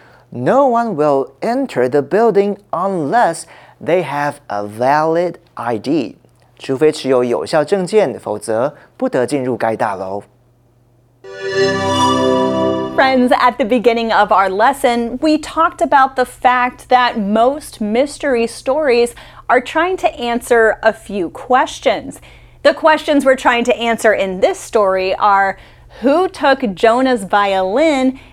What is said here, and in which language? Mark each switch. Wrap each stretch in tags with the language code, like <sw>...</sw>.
<en>No one will enter the building unless they have a valid ID.</en> <zh>除非持有有效证件，否则不得进入该大楼。</zh> <en>Friends, at the beginning of our lesson, we talked about the fact that most mystery stories are trying to answer a few questions. The questions we're trying to answer in this story are, who took Jonah's violin?</en>